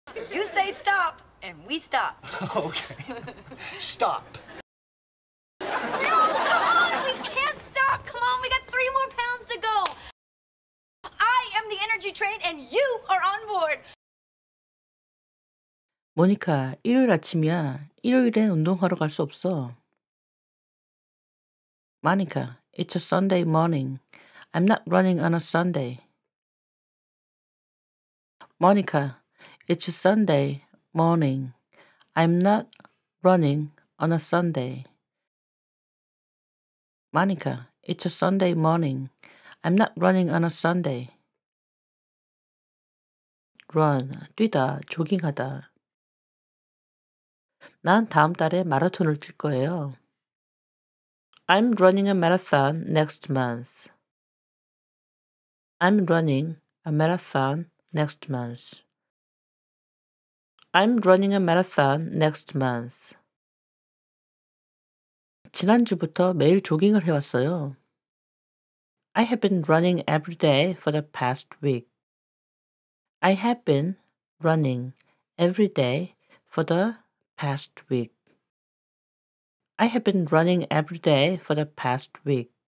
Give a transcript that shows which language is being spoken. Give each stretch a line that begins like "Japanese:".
English: You say stop, and we stop. Okay. Stop. No, come on, we can't stop. Come on, we got 3 more pounds to go. I am the energy train and you are on board.
Korean: 모니카, 일요일 아침이야. 일요일에 운동하러 갈 수 없어.
English: 모니카, it's a Sunday morning. I'm not running on a Sunday. 모니카, it's a Sunday morning. I'm not running on a Sunday. 모니카, it's a Sunday morning. I'm not running on a Sunday.
Korean: Run, 뛰다, 조깅하다. 난 다음 달에 마라톤을 뛸 거예요.
English: I'm running a marathon next month. I'm running a marathon next month. I'm running a marathon next month.
Korean: 지난주부터 매일 조깅을 해왔어요.
English: I have been running every day for the past week. I have been running every day for the past week. I have been running every day for the past week.